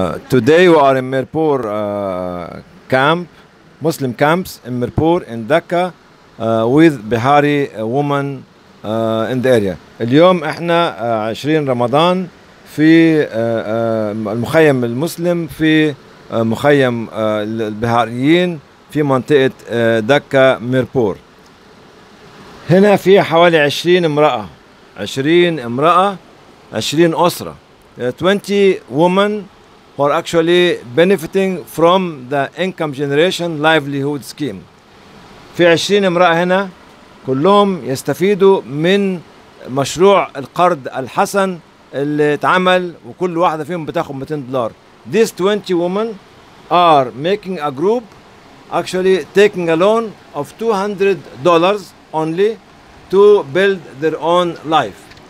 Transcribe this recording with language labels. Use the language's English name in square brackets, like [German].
[English] Today we are in Mirpur camp, Muslim camps in Mirpur in Dhaka with Bihari woman in the area. [Arabic] اليوم احنا 20 رمضان في المخيم المسلم في مخيم البهاريين في منطقة دكا ميربور. هنا في حوالي 20 امرأة 20 امرأة 20 أسرة [English] 20 women who are actually benefiting from the income generation livelihood scheme. [Arabic] في 20 امرأة هنا كلهم يستفيدوا من مشروع القرض الحسن اللي اتعمل وكل واحدة فيهم بتاخد $200. [English] These 20 women are making a group actually taking a loan of $200 only to build their own life.